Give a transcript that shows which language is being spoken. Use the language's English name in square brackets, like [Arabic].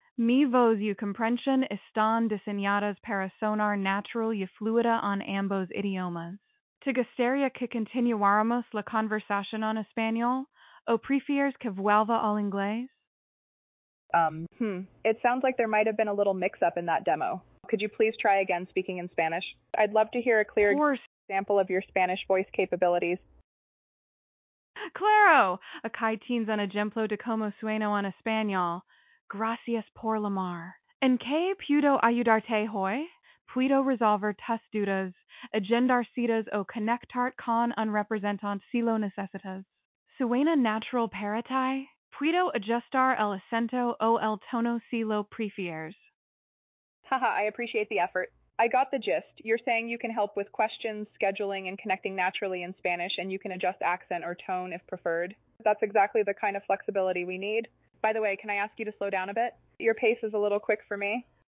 [Spanish] Mi voz y comprensión están diseñadas para sonar natural y fluida en ambos idiomas. ¿Te gustaría que continuáramos la conversación en español o prefieres que vuelva al inglés? [English] It sounds like there might have been a little mix-up in that demo. Could you please try again speaking in Spanish? I'd love to hear a Of clear course. example of your Spanish voice capabilities. [Spanish] Claro, acá tienes un ejemplo de cómo sueno en español. Gracias por llamar. ¿En qué puedo ayudarte hoy? Puedo resolver tus dudas, agendar citas o conectar con un representante si lo necesitas. ¿Suena natural para ti? Puedo ajustar el acento o el tono si lo prefieres. [English] Haha, I appreciate the effort. I got the gist. You're saying you can help with questions, scheduling, and connecting naturally in Spanish, and you can adjust accent or tone if preferred. That's exactly the kind of flexibility we need. By the way, can I ask you to slow down a bit? Your pace is a little quick for me.